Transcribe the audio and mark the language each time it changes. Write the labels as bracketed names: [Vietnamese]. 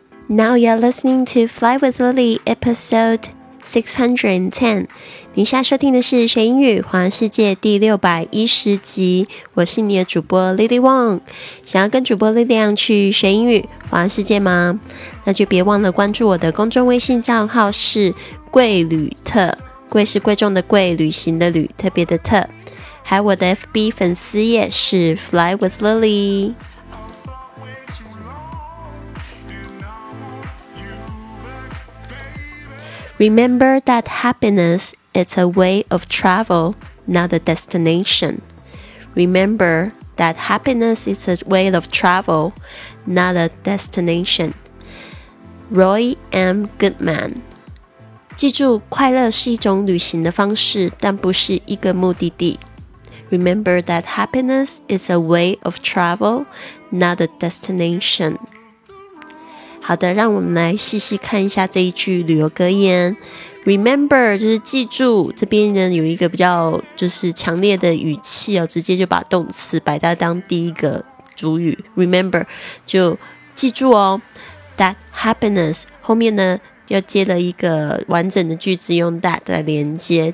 [English] Now you're listening to Fly with Lily, episode 610. [Chinese] 你现在收听的是学英语环游世界第610集。我是你的主播 Lily Wong。想要跟主播力量去学英语环游世界吗？那就别忘了关注我的公众微信账号是贵旅特。贵是贵重的贵，旅行的旅，特别的特。还有我的 FB 粉丝页是 Fly with Lily。 [English] Remember that happiness is a way of travel, not a destination. Remember that happiness is a way of travel, not a destination. Roy M. Goodman. [Chinese] 记住，快乐是一种旅行的方式，但不是一个目的地。 [English] Remember that happiness is a way of travel, not a destination. [Chinese] 好的，让我们来细细看一下这一句旅游格言。 Remember 就是记住，这边呢有一个比较就是强烈的语气哦，直接就把动词摆在当第一个主语。 Remember 就记住哦。That happiness 后面呢要接了一个完整的句子，用 that 来连接。